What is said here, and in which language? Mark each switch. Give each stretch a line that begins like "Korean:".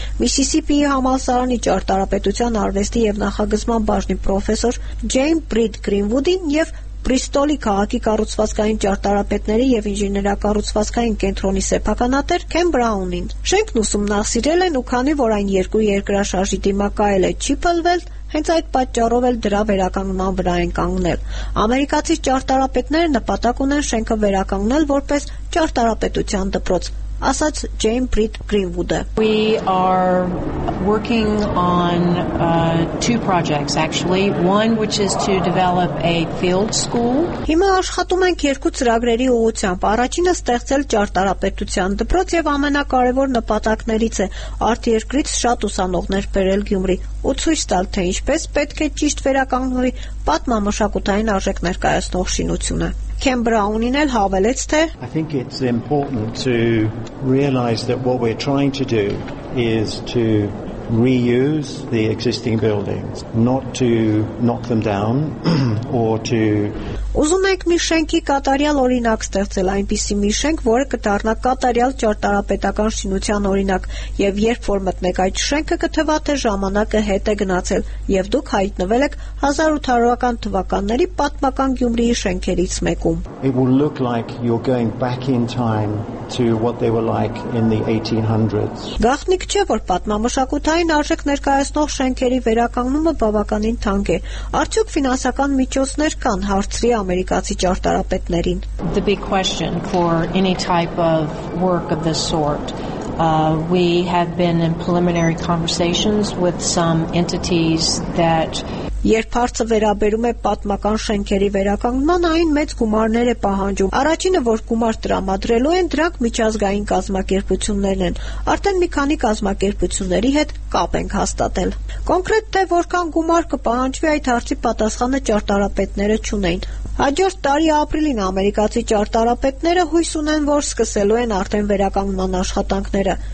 Armenian: Միսիսիպիի համալսարանի ճարտարապետության արվեստի և նախագծման բաժնի պրոֆեսոր Ջեյմ Բրիդ Գրինվուդին և Բրիստոլի քաղաքի կառուցվածքային ճարտարապետների և ինժեներա-կառուցվածքային կենտրոնի սեփականատեր Քեն Բրաունին։ Շենքն ուսումնասիրել են, ու քանի որ այն երկու երկրաշարժի դիմակայել է չի պլվել, հենց այդ պատճառով էլ դրա վերականգնման վրա են կանգնել։ Ամերիկացի ճարտարապետները նպատակ ունեն շենքը վերականգնել որպես ճարտարապետության դպրոց, ասաց Ջեյմ Բրիդ Գրինվուդը։
English: We are working on two projects actually. One which is to develop a field school.
Armenian: Հիմա աշխատում ենք երկու ծրագրերի ուղղությամբ։ Առաջինը ստեղծել ճարտարապետության դպրոց եւ ամենակարևոր նպատակներից է արտերկրից շատ ուսանողներ բերել Գյումրի ու ցույց տալ, թե ինչպես պետք է ճիշտ վերականգնվի պատմամշակութային արժեք ներկայացնող շինությունը։ Քեն Բրաունին էլ հավելեց, թե
English: I think it's important to realize that what we're trying to do is to reuse the existing buildings, not to knock them down or to.
Armenian: Ուզում ենք մի շենքի կատարյալ օրինակ ստեղծել, այնպիսի մի շենք, որը կդառնա կատարյալ ճարտարապետական շինության օրինակ, եւ երբ որ մտնեք այդ շենքը, կթվա թե ժամանակը հետ է գնացել, եւ դուք հայտնվել եք 1800-ական թվականների պատմական Գյումրիի շենքերից մեկում.
English: It will look like you're going back in time to what they were like in the 1800s.
Armenian: Գաղտնիք չէ, որ պատմամշակութային արժեք ներկայացնող շենքերի վերականգնումը բավականին թանկ է։ Արդյոք ֆինանսական միջոցներ կան, հարցը ամերիկացի ճարտարապետներին.
English: The big question for any type of work of this sort, we have been in preliminary conversations with some entities that.
Armenian: Երբ հարցը վերաբերում է պատմական շենքերի վերականգնման, այն մեծ գումարներ է պահանջում։ Առաջինը, որ գումար տրամադրելու են, դրանք միջազգային կազմակերպություններն են։ Արդեն մի քանի կազմակերպությունների հետ կապ ենք հաստատել։ Կոնկրետ թե որքան գումար կպահանջվի, այդ հարցի պատասխանը ճարտարապետները չունեն։ Հաջորդ տարի ապրիլին ամերիկացի ճարտարապետները հույս ունեն, որ սկսելու են արդեն վերականգնման աշխատանքները։